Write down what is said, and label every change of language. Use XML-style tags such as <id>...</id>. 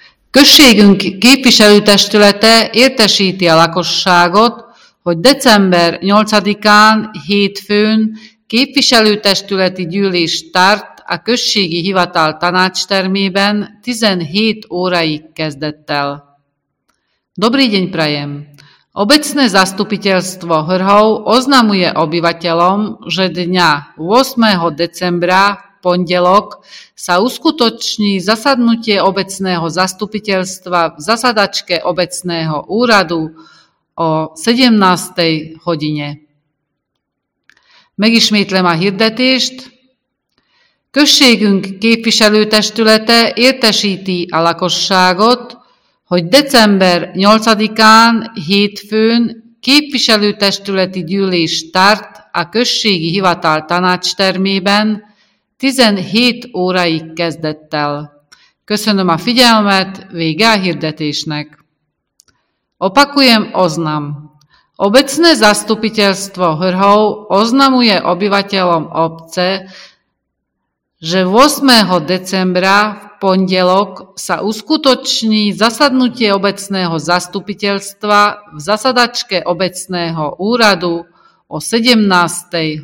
<hu>Községünk képviselőtestülete értesíti a lakosságot, hogy december 8-án hétfőn képviselőtestületi gyűlés tart a községi hivatal tanácstermében 17 óráig kezdettel.</hu> <sk>Dobrý deň prajem! Obecné zastupiteľstvo Hrhov oznamuje obyvateľom, že dňa 8. decembra pondelok sa uskutoční zasadnutie obecného zastupiteľstva v zasadačke obecného úradu o 17. hodine.</sk> <hu>Megismétlem a hirdetést. Községünk képviselőtestülete értesíti a lakosságot, hogy december 8-án hétfőn képviselőtestületi gyűlés tart a községi hivatal tanácstermében 17 óráig kezdettel. Köszönöm a figyelmet, vége a hirdetésnek.</hu> <sk>Opakujem oznam. Obecné zastupiteľstvo Hrhov oznamuje obyvateľom obce, že 8. decembra v pondelok sa uskutoční zasadnutie obecného zastupiteľstva v zasadačke obecného úradu o 17.</sk>